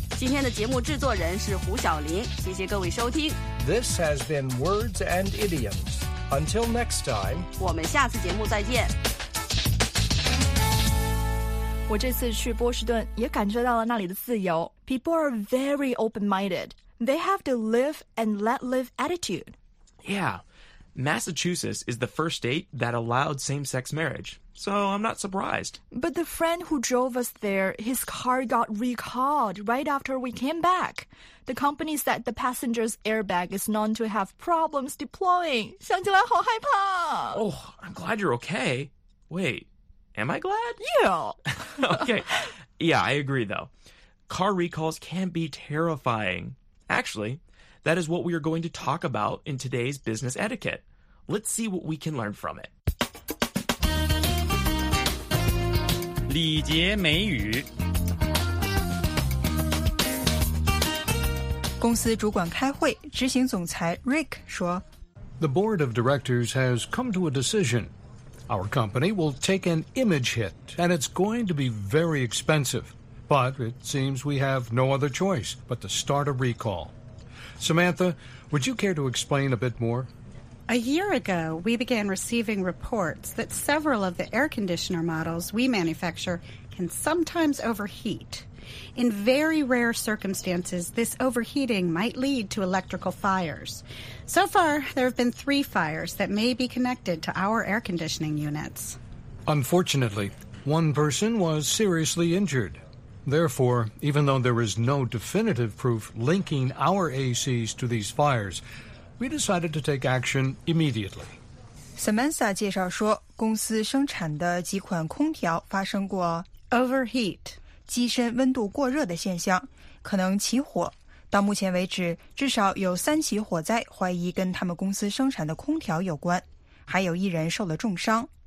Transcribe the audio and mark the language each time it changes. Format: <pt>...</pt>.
<zh>今天的节目制作人是胡晓林，谢谢各位收听。</zh> <en>This has been Words and Idioms. Until next time，</en> <zh>我们下次节目再见。我这次去波士顿也感觉到了那里的自由。</zh> <en>People are very open-minded. They have the live and let live attitude. Yeah. Massachusetts is the first state that allowed same-sex marriage. So I'm not surprised. But the friend who drove us there, his car got recalled right after we came back. The company said the passenger's airbag is known to have problems deploying.</en> <zh>想起来好害怕。</zh> <en>Oh, I'm glad you're okay. Wait. Am I glad? Yeah. Okay. Yeah, I agree, though. Car recalls can be terrifying. Actually, that is what we are going to talk about in today's business etiquette. Let's see what we can learn from it.</en> <zh>礼节美语。公司主管开会，执行总裁 Rick 说，</zh> <en>The board of directors has come to a decision. Our company will take an image hit, and it's going to be very expensive. But it seems we have no other choice but to start a recall. Samantha, would you care to explain a bit more? A year ago, we began receiving reports that several of the air conditioner models we manufacture can sometimes overheat. In very rare circumstances, this overheating might lead to electrical fires. So far, there have been 3 fires that may be connected to our air conditioning units. Unfortunately, one person was seriously injured. Therefore, even though there is no definitive proof linking our ACs to these fires, we decided to take action immediately.</en> <zh>Samantha 介绍说，公司生产的几款空调发生过</zh> <en>overheat.</en> <zh>机身温度过热的现象，可能起火。到目前为止，至少有3起火灾怀疑跟他们公司生产的空调有关，还有一人受了重伤。</zh>